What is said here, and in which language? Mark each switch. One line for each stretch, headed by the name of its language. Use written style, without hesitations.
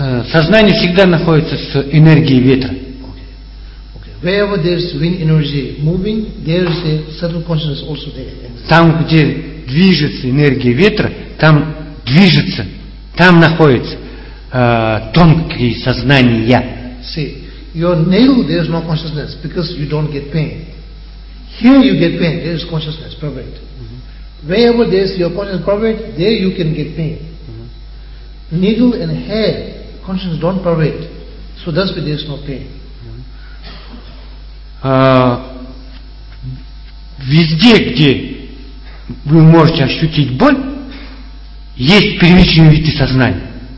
Russian: Сознание всегда находится с энергией ветра.
English: Okay. Wherever there's wind energy moving, there's a certain consciousness also there.
Russian: Там, где движется энергия ветра, там движется. Там находится тонкое сознание я.
English: See, your nail there is no consciousness because you don't get pain. Here you get pain, there is consciousness pervert. Mm-hmm. Wherever there is your consciousness pervert, there you can get pain. Mm-hmm. Needle and hair, consciousness don't pervert. So that's why there is no pain.
Russian: Везде, где вы можете ощутить боль. Есть первичные виды сознания.